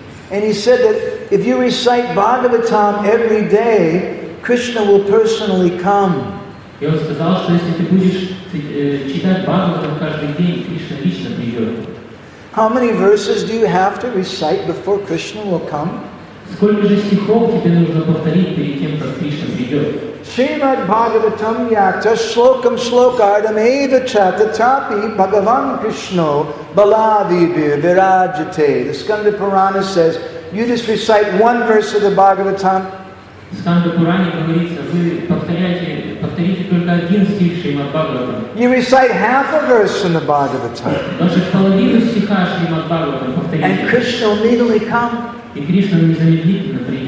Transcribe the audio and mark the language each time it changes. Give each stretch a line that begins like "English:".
English: And he said that if you recite Bhagavatam every day, Krishna will personally come.
Russian: И он сказал, что если ты будешь читать Бхагаватам каждый день, Кришна лично придет.
English: How many verses do you have to recite before Krishna will come?
Russian: Сколько же стихов тебе нужно повторить перед тем, как Кришна придет?
Sanskrit: Шримад Бхагаватам Якта Шлокам Шлокардам Эйва Чататапи Бхагаван Кришно Баладибир Вираджате.
English: The Skanda Purana says, you just recite one verse of the Bhagavatam.
Russian: Skanda Purana говорится, вы повторите только один стих Шримад Бхагаватам.
English: You recite half a verse in the Bhagavatam.
Russian: Даже половину стиха Шримад Бхагаватам повторите.
English: And Krishna immediately come.
Russian: И Кришна незамедлительно придет.